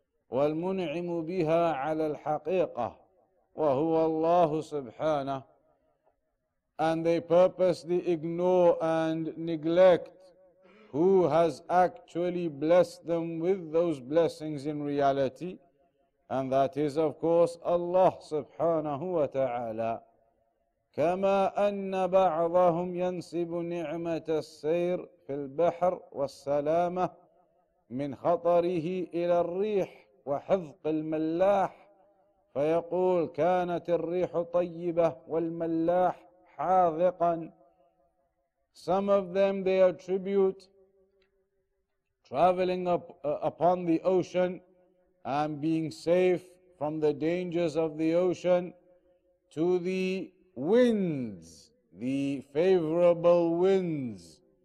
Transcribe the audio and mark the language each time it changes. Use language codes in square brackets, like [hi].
[ar] والمنعم بها على الحقيقة وهو الله سبحانه. [en] And they purposely ignore and neglect who has actually blessed them with those blessings in reality, and that is of course Allah سبحانه وتعالى. [ar] كما أن بعضهم ينسب نعمة السير في البحر والسلامة من خطره إلى الريح وحذق الملاح فيقول كانت الريح طيبة والملاح حاذقا. [en] Some of them they attribute traveling upon the ocean and being safe from the dangers of the ocean to the winds, the favorable winds.